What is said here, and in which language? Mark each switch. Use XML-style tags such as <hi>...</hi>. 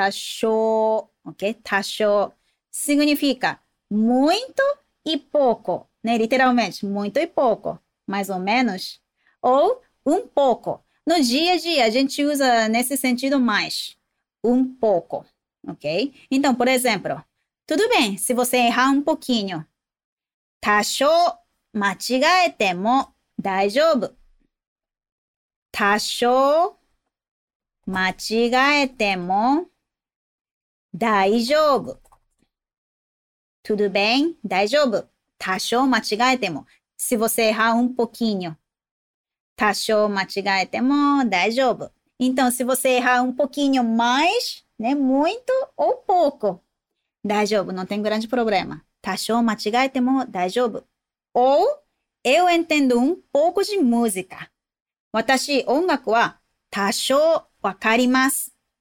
<pt>Tashou, ok? Tashou significa muito e pouco, né? Literalmente, muito e pouco, mais ou menos, ou um pouco. No dia a dia, a gente usa nesse sentido mais, um pouco, ok? Então, por exemplo, tudo bem se você errar um pouquinho.</pt> <ja>Tashou 間違えても大丈夫。多少間違えても大丈夫。</ja> <pt>Tudo bem?</pt> <ja>大丈夫。多少間違えても。</ja> <pt>Se você errar um pouquinho。</pt> <ja>多少間違えても大丈夫。</ja> <pt>Então, se você errar um pouquinho mais, né, muito ou pouco。</pt> <ja>大丈夫。</ja> <pt>Não tem grande problema。</pt> <ja>多少間違えても大丈夫。</ja> <pt>Ou, eu entendo um pouco de música.</pt> <ja>私、音楽は多少わかります。</ja>